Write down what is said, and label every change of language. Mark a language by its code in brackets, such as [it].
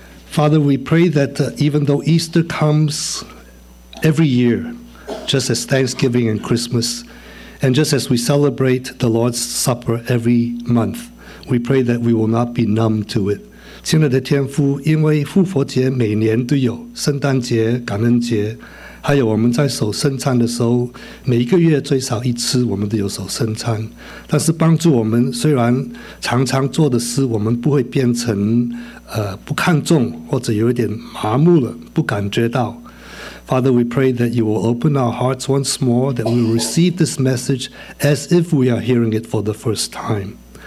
[en] Father, we pray that even though Easter comes every year, just as Thanksgiving and Christmas, and just as we celebrate the Lord's Supper every month, we pray that we will not be numb to it. [zh] 亲爱的天父, 因为复活节每年都有, 圣诞节, 感恩节, 还有我们在守圣餐的时候, 每一个月最少一次, 我们都有守圣餐, 但是帮助我们, 虽然常常做的事, 我们不会变成 不看重或者有点麻木了，不感觉到。 [en] Father, we pray that you will open our hearts once more, that we will receive this message as if we are hearing it for the first time.